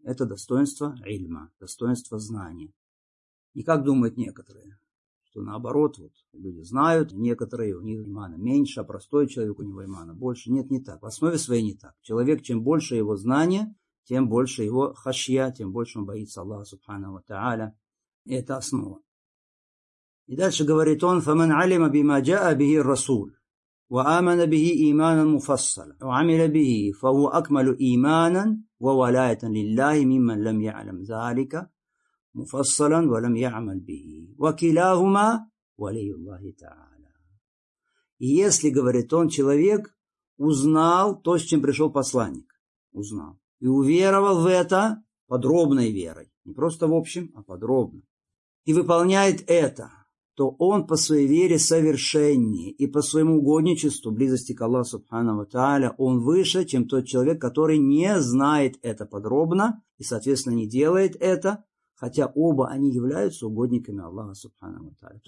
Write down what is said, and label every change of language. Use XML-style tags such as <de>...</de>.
<ru>Это достоинство ильма, достоинство знания. И как думают некоторые, что наоборот, вот люди знают, некоторые у них имана меньше, а простой человек у него имана больше. Нет, не так. В основе своей не так. Человек, чем больше его знания, тем больше его хашья, тем больше он боится Аллаха Субхану ва Тааля. Это основа. И дальше говорит он: «Фаман алима бима джаа бихи расуль».</ru> <ar>وآمن به إيمانا مفصلا وعمل به فهو أكمل إيمانا وولاية لله ممن لم يعلم ذلك مفصلا ولم يعمل به وكلاهما ولي الله تعالى.</ar> <ru>И если, говорит он, человек узнал то, с чем пришел посланник, узнал и уверовал в это подробной верой, не просто в общем, а подробно, и выполняет это, то он по своей вере совершеннее, и по своему угодничеству, близости к Аллаху Субхану ва Тааля, он выше, чем тот человек, который не знает это подробно и, соответственно, не делает это, хотя оба они являются угодниками Аллаха Субхану ва Тааля.</ru>